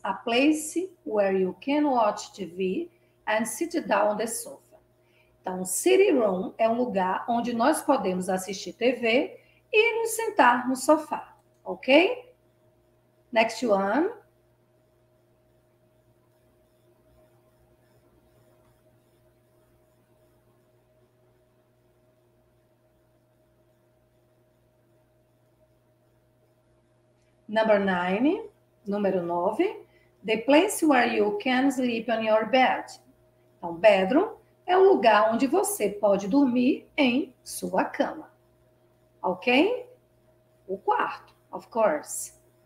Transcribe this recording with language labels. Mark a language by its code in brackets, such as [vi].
[en] A place where you can watch TV and sit down on the sofa. [pt] Então, sitting room é um lugar onde nós podemos assistir TV e nos sentar no sofá, ok? [en] Next one. Number nine, [pt] número nove. [en] The place where you can sleep on your bed. [pt] Então, bedroom é o lugar onde você pode dormir em sua cama. Ok? O quarto, of course.